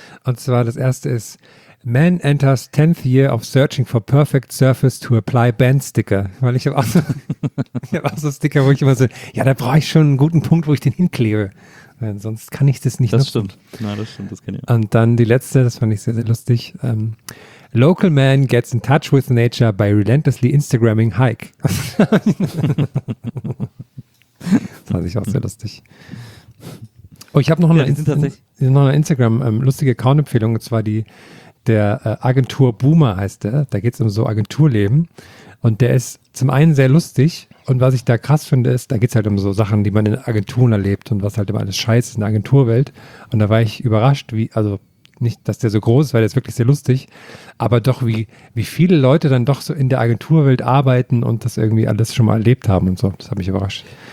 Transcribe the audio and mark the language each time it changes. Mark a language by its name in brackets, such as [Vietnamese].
[German] Und zwar das erste ist, [English] Man enters 10th year of searching for perfect surface to apply band sticker. [German] Weil ich habe auch, so, hab auch so Sticker, wo ich immer so, ja, da brauche ich schon einen guten Punkt, wo ich den hinklebe. Weil sonst kann ich das nicht. Das nutzen. Stimmt. Na, das stimmt, das kenne ich. Und dann die letzte, das fand ich sehr, sehr lustig. [English] Local man gets in touch with nature by relentlessly Instagramming hike. [German] Das fand ich auch sehr lustig. Oh, ich habe noch, eine Instagram lustige Account-Empfehlung, und zwar die der Agentur Boomer heißt der, da geht es um so Agenturleben und der ist zum einen sehr lustig und was ich da krass finde ist, da geht es halt um so Sachen, die man in Agenturen erlebt und was halt immer alles scheiße ist in der Agenturwelt und da war ich überrascht, wie, also nicht, dass der so groß ist, weil der ist wirklich sehr lustig, aber doch wie viele Leute dann doch so in der Agenturwelt arbeiten und das irgendwie alles schon mal erlebt haben und so, das hat mich überrascht.